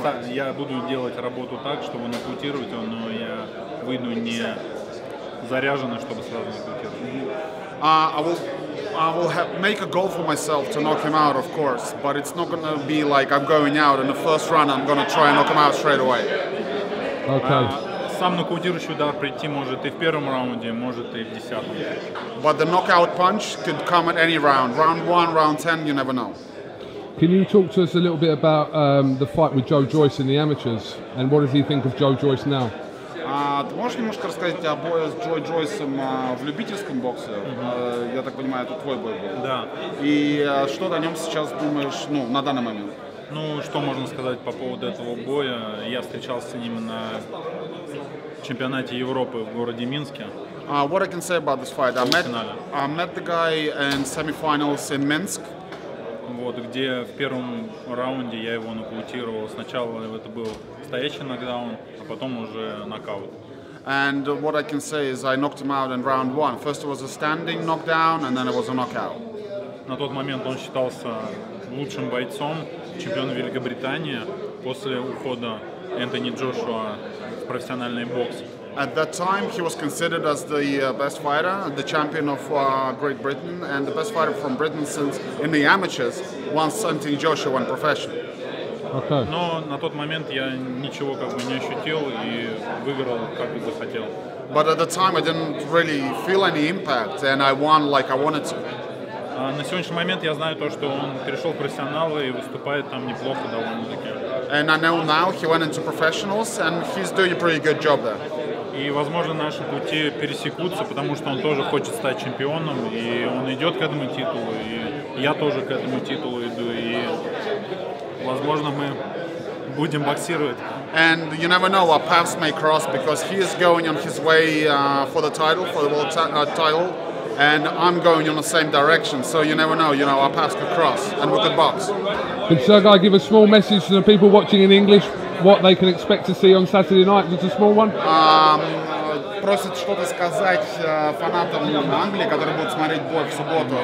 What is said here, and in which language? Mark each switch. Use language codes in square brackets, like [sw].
[ru] я буду делать работу так, чтобы нокаутировать его, но я выйду не заряженно, чтобы сразу нокаутировать. [en] I will make a goal for myself to knock him out, of course, but it's not going to be like I'm going out in the first run, I'm going to try and knock him out straight away. Okay. [ru] Сам нокаутирующий удар прийти может и в первом раунде, может и в десятом. [en] But the knockout punch could come at any round. Round 1, round 10, you never know. Can you talk to us a little bit about the fight with Joe Joyce in the amateurs? And what does he think of Joe Joyce now? [ru] Ты можешь немножко рассказать о бою с Джой Джойсом в любительском боксе? Я так понимаю, это твой бой был. Да. И что ты о нем сейчас думаешь, ну, на данный момент? Ну, что можно сказать по поводу этого боя? Я встречался с ним на чемпионате Европы в городе Минске. [en] What I can say about this fight? I met the guy in semifinals in Minsk. [ru] Вот, где в первом раунде я его нокаутировал. Сначала это был стоящий нокдаун, а потом уже нокаут. [en] And what I can say is I knocked him out in round one. First it was a standing knockdown, and then it was a knockout. [ru] На тот момент он считался лучшим бойцом, чемпионом Великобритании, после ухода Энтони Джошуа в профессиональный бокс. [en] At that time, he was considered as the best fighter, the champion of Great Britain, and the best fighter from Britain since in the amateurs, once Anthony Joshua went professional. Okay. [ru] Но на тот момент я ничего как бы не ощутил и выиграл как бы хотел. [en] But at the time, I didn't really feel any impact, and I won like I wanted to. [ru] На сегодняшний момент я знаю то, что он перешел в профессионалы и выступает там неплохо довольно-таки. [en] And I know now he went into professionals, and he's doing a pretty good job there. [ru] И, возможно, наши пути пересекутся, потому что он тоже хочет стать чемпионом, и он идет к этому титулу, и я тоже к этому титулу иду, и, возможно, мы будем боксировать. [en] And you never know, our paths may cross, because he is going on his way for the title, for the world title, and I'm going on the same direction, so you never know, you know, our paths could cross, and we could box. Can Sergei give a small message to the people watching in English? What they can expect to see on Saturday night? Just a small one. [ru] Просит что-то сказать фанатам Англии, которые будут смотреть бой в субботу.